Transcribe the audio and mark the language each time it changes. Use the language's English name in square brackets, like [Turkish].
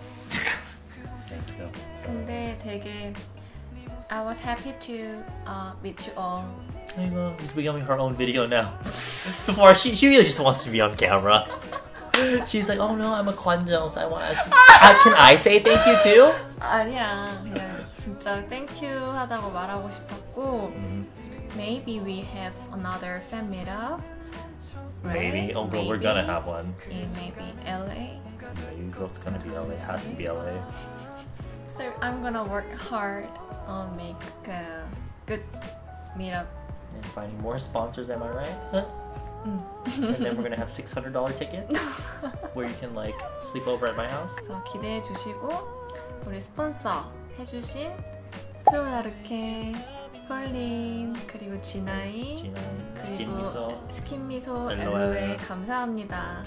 [English] Thank you. So. [Korean] 근데 되게 [English] I was happy to meet you all. Ayla is becoming her own video now. Before she really just wants to be on camera. She's like, oh no, I'm a Kwanjo, so I want to. Can I say thank you too? [Korean] 아니야, 진짜 [English] thank you [Korean] 하다고 말하고 싶었고. [English] Maybe we have another fan meetup. Maybe, right? Oh, maybe. We're gonna have one. Maybe LA. Yeah, you know it's gonna be LA. It has to be LA. So I'm gonna work hard on make a good meetup. And finding more sponsors, am I right? And then we're gonna have $600 tickets where you can like sleep over at my house. So [Korean] 기대해 주시고 우리 스폰서 해주신 트로야르케. 펄린, 그리고 지나이, 그리고 스킨미소, 엘로에 감사합니다.